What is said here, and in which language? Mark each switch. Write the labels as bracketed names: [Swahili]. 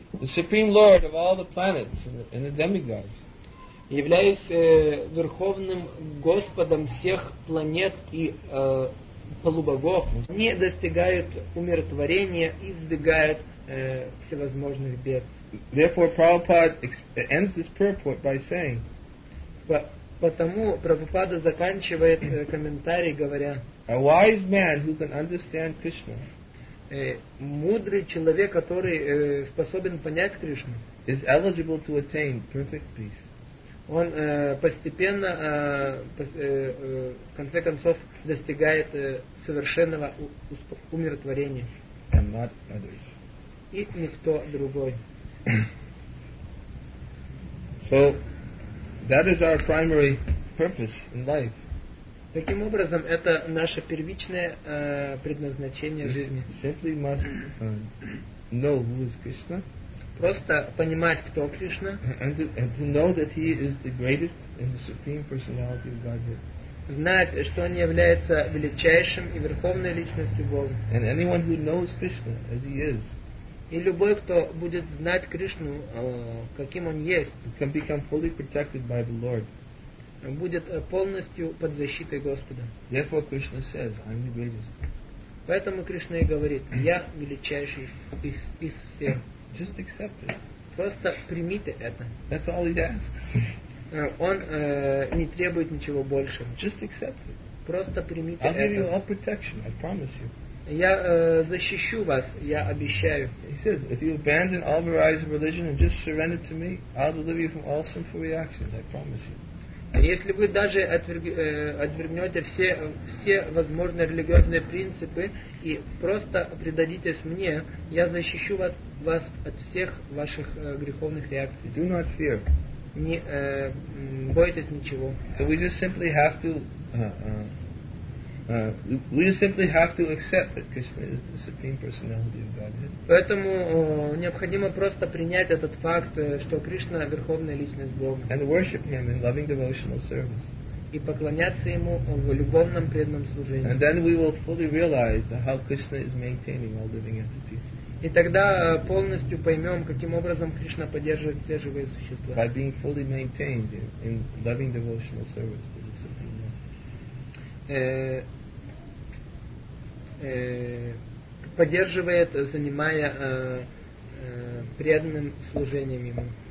[English] The supreme lord of all the planets and the demigods. [Russian] Являюсь верховным господом всех планет и полубогов не достигают умиротворения и избегают всевозможных бед. [English] Therefore, Prabhupada ends this purport by saying. [Russian] Потому Прабхупада заканчивает комментарий, говоря. [English] A wise man who can understand Krishna. [Russian] Мудрый человек, который способен понять Кришну. [English] Is eligible to attain perfect peace. [Russian] Он постепенно, в конце концов, достигает совершенного умиротворения. [English] And not others. [Russian] И никто другой. [English] So, that is our primary purpose in life. [Russian] Таким образом, это наше первичное предназначение в жизни. [English] Simply must know who is Krishna. [Russian] Просто понимать, кто Кришна. [English] And to know that he is the greatest and the supreme personality of Godhead. [Russian] Знать, что он является величайшим и верховной личностью Бога. [English] And anyone who knows Krishna as he is. [Russian] И любой, кто будет знать Кришну, каким он есть. [English] Can become fully protected by the Lord. [Russian] Будет полностью под защитой Господа. [English] Therefore Krishna says, I'm the greatest. [Russian] Поэтому Кришна и говорит, я величайший из всех. [English] Just accept it. [Russian] Просто примите это. [English] That's all he asks. [Russian] Он не требует ничего больше. [English] Just accept it. [Russian] Просто примите это. [English] I'll give you all protection, I promise you. [Russian] Я защищу вас, я обещаю. [English] He says, if you abandon all varieties of religion and just surrender to me, I'll deliver you from all sinful reactions, I promise you. [Russian] Если вы даже отвергнете все возможные религиозные принципы и просто предадитесь мне, я защищу вас от всех ваших греховных реакций. [English] Do not fear. [Russian] Не бойтесь ничего. [English] So we just simply have to accept that Krishna is the supreme personality of Godhead. [Russian] Поэтому необходимо просто принять этот факт, что Кришна верховная личность Бога. [English] And worship him in loving devotional service. [Russian] И поклоняться ему в любовном преданном служении. [English] And then we will fully realize how Krishna is maintaining all living entities. [Russian] И тогда полностью поймем, каким образом Кришна поддерживает все живые существа. [English] By being fully maintained in loving devotional service. [Russian] Поддерживает, занимая преданным служением ему.